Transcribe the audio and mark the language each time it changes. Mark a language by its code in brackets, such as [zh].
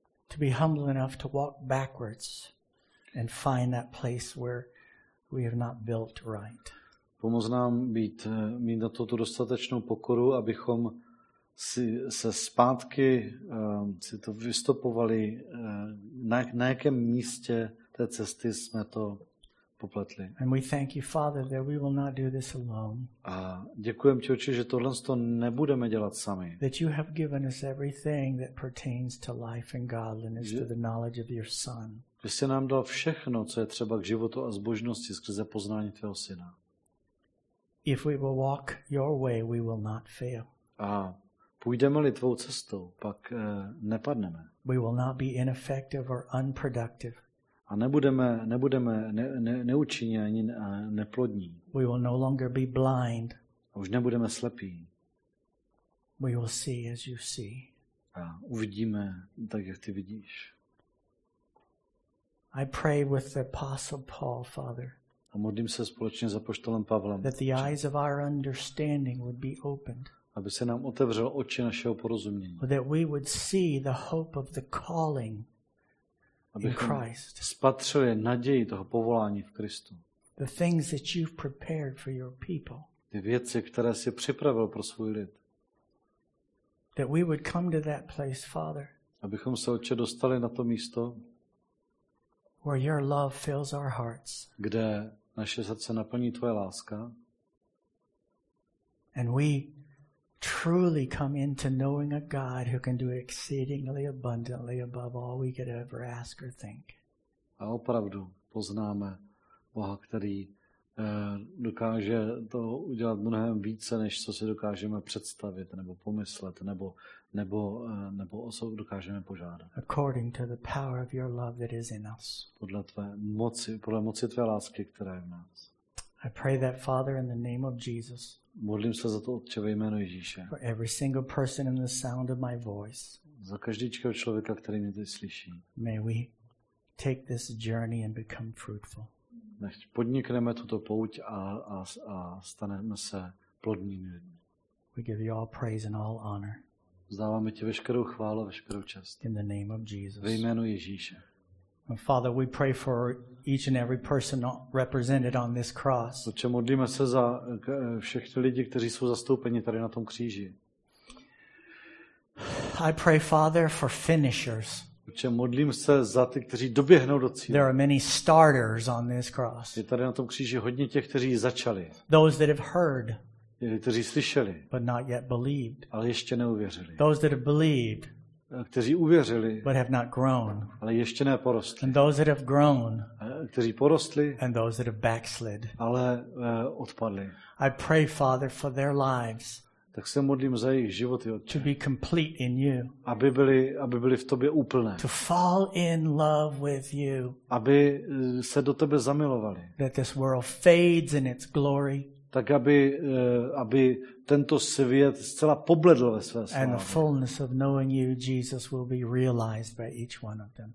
[en] To be humble enough to walk backwards and find that place where we have not built right. [cs] Pomoz nám mít na toto dostatečnou pokoru, abychom si se zpátky si to vystopovali, na jakém místě té cesty jsme to popletli. [en] And we thank you, Father, that we will not do this alone. [cs] A děkujeme ti, Otče, že tohle to nebudeme dělat sami. [en] That you have given us everything that pertains to life and godliness to the knowledge of your Son. [cs] Že jsi nám dal všechno, co je třeba k životu a zbožnosti skrze poznání tvého Syna. [en] If we will walk your way, we will not fail. [cs] A půjdeme-li tvou cestou, pak nepadneme. [en] We will not be ineffective or unproductive. [cs] A nebudeme neúčinní ani neplodní. [en] We will no longer be blind. [cs] A už nebudeme slepí. [en] We will see as you see. [cs] A uvidíme tak, jak ty vidíš. [en] I pray with the Apostle Paul, Father. [cs] A modlím se společně s apoštolem Pavlem. [en] That the eyes of our understanding would be opened. [cs] Aby se nám otevřelo oči našeho porozumění. [en] That we would see the hope of the calling. [cs] Abychom spatřili naději toho povolání v Kristu. [en] The things that you've prepared for your people. [cs] Ty věci, které jsi připravil pro svůj lid. [en] That we would come to that place, Father. [cs] Abychom se, Otče, dostali na to místo. [en] Where your love fills our hearts. [cs] Kde naše srdce naplní tvoje láska. [en] And we truly come into knowing a God who can do exceedingly abundantly above all we could ever ask or think. [cs] A opravdu poznáme Boha, který dokáže to udělat mnohem více, než co si dokážeme představit nebo pomyslet nebo o co dokážeme požádat. [en] According to the power of your love that is in us. [cs] Podle moci tvé lásky, která je v nás. [en] I pray that, Father, in the name of Jesus. [cs] Modlím se za to, Otče, ve jménu Ježíše. [en] For every single person in the sound of my voice. [cs] Za každýčkého člověka, který mě teď slyší. [en] May we take this journey and become fruitful. [cs] Nech podnikneme tuto pouť a staneme se plodnými lidmi. [en] We give you all praise and all honor. [cs] Vzdáváme ti veškerou chválu a veškerou čest. [en] In the name of Jesus. [cs] Ve jménu Ježíše. [en] And Father, we pray for each and every person represented on this cross. [cs] Otče, modlíme se za všechny lidi, kteří jsou zastoupeni tady na tom kříži. [en] I pray, Father, for finishers. [cs] Otče, modlím se za ty, kteří doběhnou do cíle. [en] There are many starters on this cross. [cs] Je tady na tom kříži hodně těch, kteří začali. [en] Those that have heard. [cs] Kteří slyšeli, [en] but not yet believed. [cs] Ale ještě neuvěřili. [en] Those that have believed, [cs] kteří uvěřili, [en] but have not grown. [cs] Ale ještě neporostli. [en] And those that have grown, [cs] kteří porostli, [en] and those that have backslid. [cs] Ale odpadli. [en] I pray, Father, for their lives. [cs] Tak se modlím za jejich životy, Otče. [en] To be complete in you. [cs] Aby byli v tobě úplné. [en] To fall in love with you. [cs] Aby se do tebe zamilovali. [en] That this world fades in its glory. [cs] Tak aby tento svět zcela pobledl ve své slávě. [en] And the fullness of knowing you, Jesus, will be realized by each one of them.